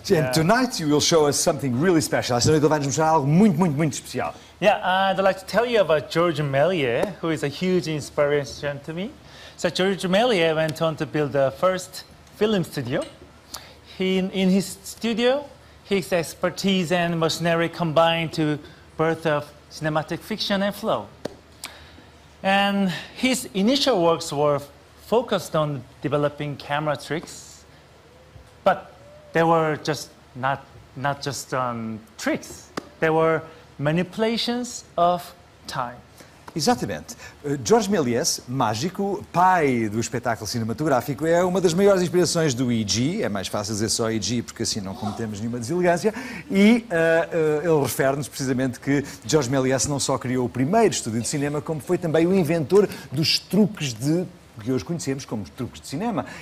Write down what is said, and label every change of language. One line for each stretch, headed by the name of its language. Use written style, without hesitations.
English: And tonight you will show us something really special.
Portuguese: Esta noite vai-nos mostrar algo muito, muito, muito especial.
English: Yeah, I'd like to tell you about Georges Méliès, who is a huge inspiration to me. So Georges Méliès went on to build the first film studio. In his studio, his expertise and machinery combined to birth of cinematic fiction and flow. And his initial works were focused on developing camera tricks, but they were just not just tricks. They were manipulations of time.
Portuguese: Exatamente. Georges Méliès, mágico, pai do espetáculo cinematográfico, é uma das maiores inspirações do EG. É mais fácil dizer só EG porque assim não cometemos nenhuma deselegância. E ele refere-nos precisamente que Georges Méliès não só criou o primeiro estúdio de cinema, como foi também o inventor dos truques de que hoje conhecemos como truques de cinema.